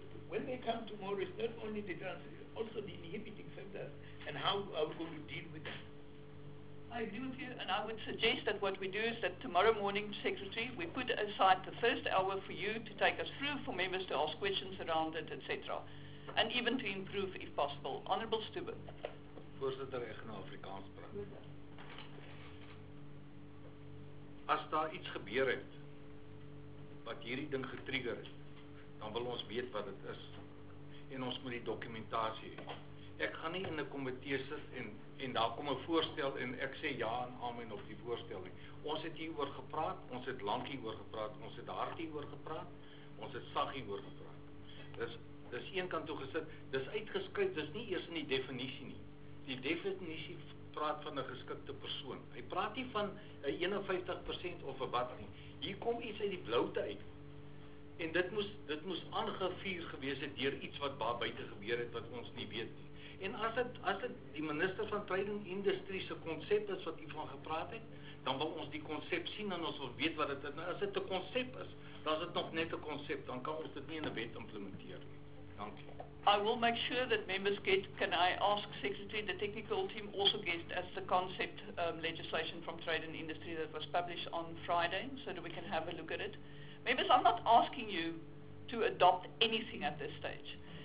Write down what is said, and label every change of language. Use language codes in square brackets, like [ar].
[en] When they come tomorrow, it's not only the transition, also the inhibiting factors. And how are we going to deal with that? I agree with you, and I would suggest that what we do is that tomorrow morning, Secretary, we put aside the first hour for you to take us through, for members to ask questions around it, etc., and even to improve if possible. Honourable Stubbe. [af] Voorzitter, ek gaan Afrikaans praat. As daar iets gebeur het, wat hierdie ding getrigger het, dan wil ons weet wat het is, en ons moet die dokumentatie hê. Ek gaan nie in 'n komitee sit en daar kom 'n voorstel en ek sê ja en amen op die voorstel nie. Ons het hier oor gepraat, ons het lank hier oor gepraat, ons het hard hier oor gepraat, ons het sag hier oor gepraat. Dis een kant toe gesit, dis uitgeskryf, dis nie eers in die definisie nie. die definitie praat van 'n geskikte persoon. Hy praat nie van 'n 51% of 'n wat nie. Hier kom iets uit die bloute uit. En dit moes aangevuur gewees het deur iets wat daar buite gebeur het wat ons nie weet nie. En as dit die minister van Trading Industrie se konsep is wat hy van gepraat het, dan wil ons die konsep sien en ons wil weet wat dit is. Nou, as dit 'n konsep is, dan is dit nog net 'n konsep, dan kan ons dit nie in 'n wet implementeer nie. Dankie. [en] I will make sure that members get, can I ask Secretary, the technical team also get as the concept legislation from Trade and Industry that was published on Friday so that we can have a look at it. Members, I'm not asking you to adopt anything at this stage.